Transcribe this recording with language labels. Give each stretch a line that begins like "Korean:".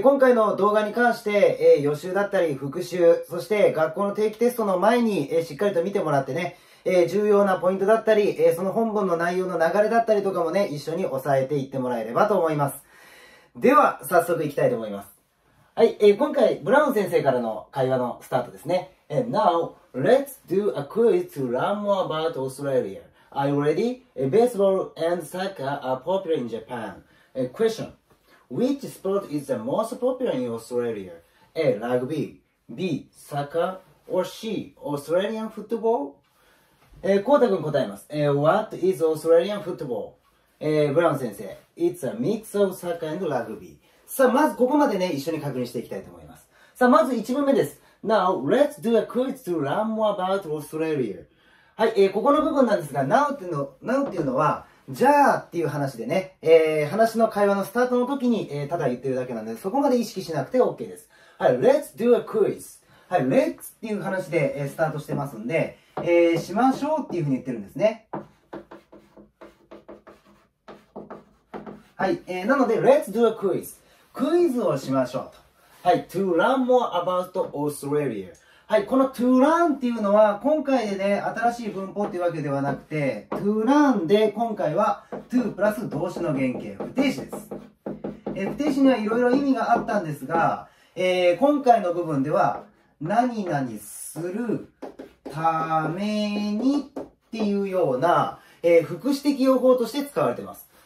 Japanese: 今回の動画に関して、予習だったり復習、そして学校の定期テストの前に、しっかりと見てもらってね、重要なポイントだったり、その本文の内容の流れだったりとかもね一緒に押さえていってもらえればと思います。では早速いきたいと思います。はい、今回ブラウン先生からの会話のスタートですね。
English: And now let's do a quiz to learn more about Australia. Are you ready? Baseball and soccer are popular in Japan. Question: Which sport is the most popular in Australia? A. Rugby B. Soccer or C. Australian football?
Japanese: コウタ君答えます。
English: What is Australian football? ブラウン先生、 It's a mix of soccer and rugby.
Japanese: さあ、まずここまでね、一緒に確認していきたいと思います。さあ、まず1問目です。
English: Now, let's do a quiz to learn more about Australia.
Japanese: はい、ここの部分なんですが、Now っていうのは、じゃあっていう話でね、話の会話のスタートの時に、ただ言ってるだけなんで、そこまで意識しなくて OK です。
English: はい、Let's do a quiz.
Japanese: はい、Let's っていう話で、スタートしてますんで、しましょうっていうふうに言ってるんですね。
English: はい、なので、Let's do a quiz.
Japanese: クイズをしましょうと。はい。
English: To learn more about Australia.
Japanese: はい。この to learn っていうのは、今回でね、新しい文法っていうわけではなくて、to learn で今回は to プラス動詞の原型、不定詞です。不定詞にはいろいろ意味があったんですが、今回の部分では、何々するためにっていうような、副詞的用法として使われています。